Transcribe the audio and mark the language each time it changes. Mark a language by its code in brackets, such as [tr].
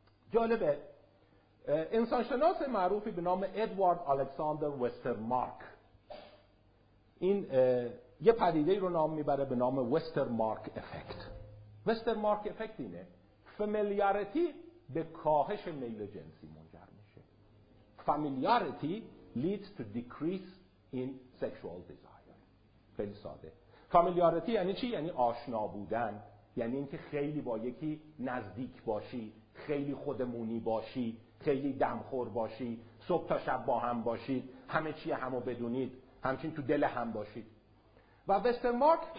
[fa] جالبه انسانشناس معروفی به نام ادوارد الکساندر وسترمارک این یه پدیده رو نام میبره به نام وسترمارک افکت. وسترمارک افکت اینه، فامیلیاریتی به کاهش میل جنسی منجر میشه. [en] Familiarity leads to decrease in sexual desire. [fa] خیلی ساده. فامیلیاریتی یعنی چی؟ یعنی آشنا بودن، یعنی اینکه خیلی با یکی نزدیک باشی، خیلی خودمونی باشی، خیلی دمخور باشی، صبح تا شب با هم باشید، همه چی همو بدونید، همچین تو دل هم باشید. و وسترمارک